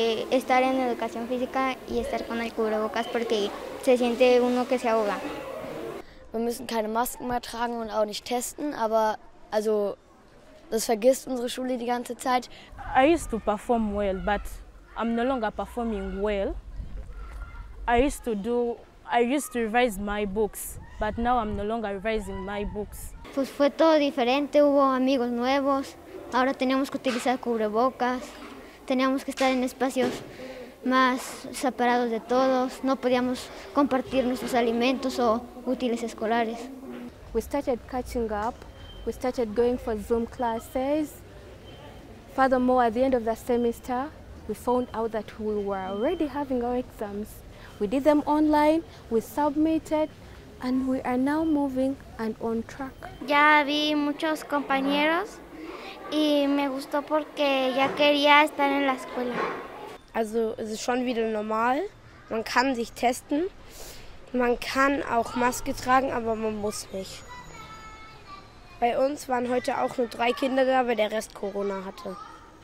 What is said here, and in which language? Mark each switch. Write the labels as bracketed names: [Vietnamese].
[Spanish] Estar en educación física y estar con el cubrebocas porque se siente uno que se ahoga. [German] Wir müssen keine Masken mehr tragen und auch nicht testen, aber also das vergisst unsere Schule die ganze Zeit. [English] I used to perform well, but I'm no longer performing well. I used to revise my books, but now I'm no longer revising my books. [Spanish] Pues fue todo diferente, hubo amigos nuevos. Ahora teníamos que utilizar cubrebocas. Teníamos que estar en espacios más separados de todos. No podíamos compartir nuestros alimentos o útiles escolares. [English] we started catching up. We started going for Zoom classes. Furthermore, at the end of the semester, we found out that we were already having our exams. We did them online, we submitted, and we are now moving and on track. [Spanish] Ya vi muchos compañeros y me gustó porque ya quería estar en la escuela. [German] Also, es ist schon wieder normal. Man kann sich testen. Man kann auch Maske tragen, aber man muss nicht. Bei uns waren heute auch nur 3 Kinder da, weil der Rest Corona hatte.